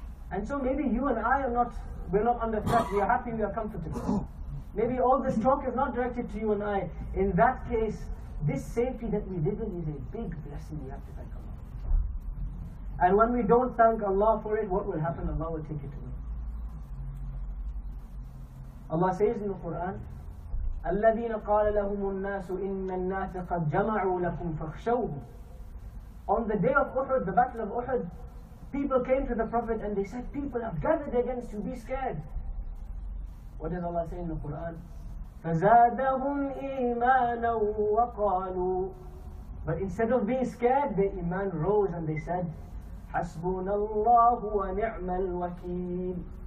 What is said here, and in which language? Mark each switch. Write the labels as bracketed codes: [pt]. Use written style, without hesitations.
[en] And so maybe you and I are not, we're not under threat, we are happy, we are comfortable. Maybe all this talk is not directed to you and I. In that case, This safety that we live in is a big blessing we have to thank Allah. And when we don't thank Allah for it, what will happen? Allah will take it away. Allah says in the Quran, [ar] الَّذِينَ قَالَ لَهُمُ النَّاسُ إِنَّ النَّاسَ قَدْ جَمَعُوا لَكُمْ فَخْشَوْهُمْ. [en] On the day of Uhud, the battle of Uhud, people came to the Prophet and they said, people have gathered against you, be scared. What does Allah say in the Quran? [ar] فَزَادَهُمْ إِيمَانًا وَقَالُوا. [en] But instead of being scared, the iman rose and they said, [ar] حَسْبُنَ اللَّهُ وَنِعْمَ الْوَكِيلُ.